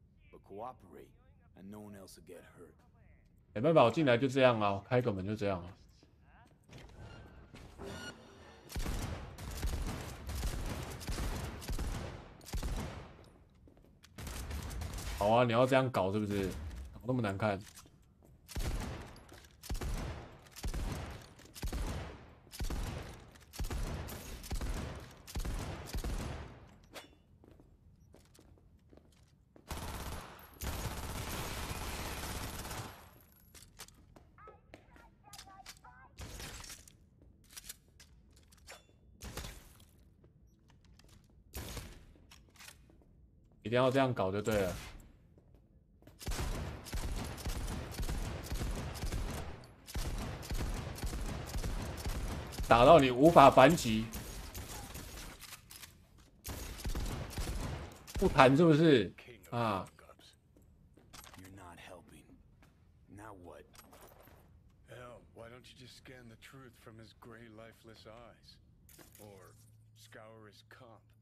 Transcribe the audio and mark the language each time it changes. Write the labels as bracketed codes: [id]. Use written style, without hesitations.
[en] But cooperate, and no one else will get hurt. [zh] 没办法，我进来就这样啊，开个门就这样啊。好啊，你要这样搞是不是？搞那么难看。一定要这样搞就对了。打到你无法反击，不弹是不是啊？ [en] You're not helping. Now what? Hell, why don't you just scan the truth from his gray, lifeless eyes, or scour his comp?